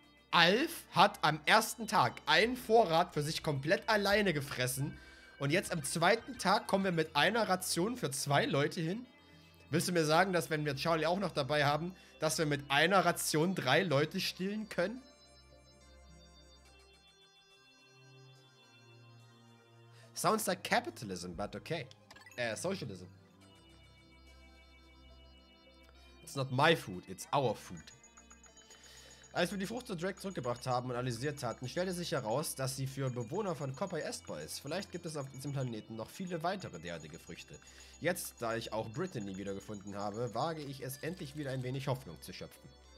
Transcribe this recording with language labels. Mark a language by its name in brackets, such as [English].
[German] Alf hat am ersten Tag einen Vorrat für sich komplett alleine gefressen. Und jetzt am zweiten Tag kommen wir mit einer Ration für 2 Leute hin? Willst du mir sagen, dass wenn wir Charlie auch noch dabei haben, dass wir mit einer Ration 3 Leute stillen können? [English] Sounds like capitalism, but okay. Socialism. It's not my food, it's our food. [German] Als wir die Frucht zu Drake zurückgebracht haben und analysiert hatten, stellte sich heraus, dass sie für Bewohner von Copper essbar ist. Vielleicht gibt es auf diesem Planeten noch viele weitere derartige Früchte. Jetzt, da ich auch Brittany wiedergefunden habe, wage ich es endlich wieder ein wenig Hoffnung zu schöpfen.